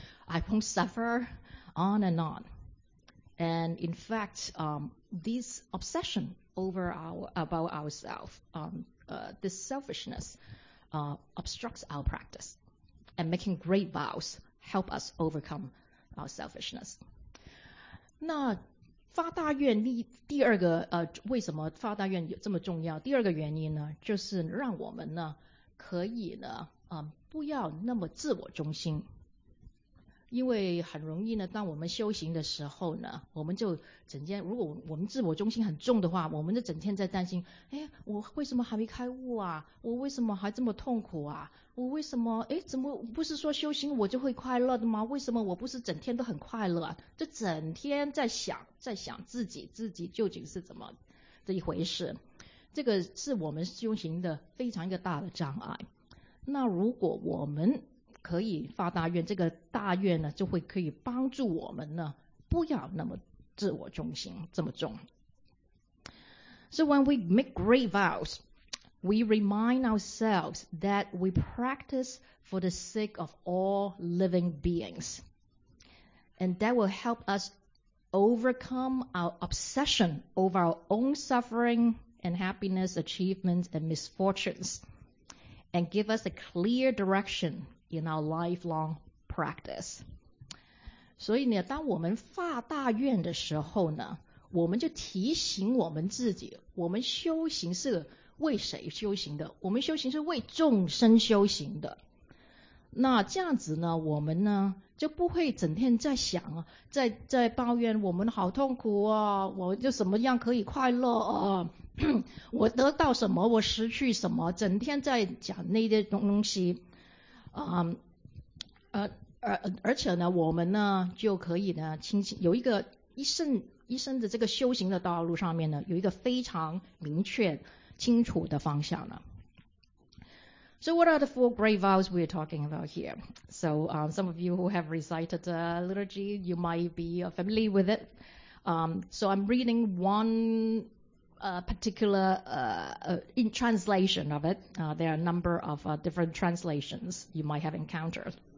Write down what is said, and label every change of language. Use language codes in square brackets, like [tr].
[en] I won't suffer. On and on. And in fact, this obsession about ourselves, this selfishness, obstructs our practice. And making great vows help us overcome our selfishness. [zh] 那发大愿第二个为什么发大愿有这么重要？第二个原因呢，就是让我们呢可以呢不要那么自我中心。因为很容易呢，当我们修行的时候呢，我们就整天，如果我们自我中心很重的话，我们就整天在担心，哎，我为什么还没开悟啊？我为什么还这么痛苦啊？我为什么，哎，怎么不是说修行我就会快乐的吗？为什么我不是整天都很快乐？就整天在想自己究竟是怎么这一回事？这个是我们修行的非常一个大的障碍。那如果我们可以发大愿，这个大愿呢就会可以帮助我们呢不要那么自我中心这么重。 [en] So when we make great vows, we remind ourselves that we practice for the sake of all living beings, and that will help us overcome our obsession over our own suffering and happiness, achievements and misfortunes, and give us a clear directionin our lifelong practice. [zh] 所以呢，当我们发大愿的时候呢，我们就提醒我们自己，我们修行是为谁修行的？我们修行是为众生修行的。那这样子呢，我们呢就不会整天在想，在抱怨我们好痛苦啊，我就什么样可以快乐啊，我得到什么，我失去什么，整天在讲那些东西。而且呢，我们呢就可以呢清醒，有一个一生的这个修行的道路上面呢，有一个非常明确清楚的方向呢。 [en] So what are the four great vows we are talking about here? So some of you who have recited the liturgy, you might be familiar with it. So I'm reading one particular translation of it. There are a number of different translations you might have encountered.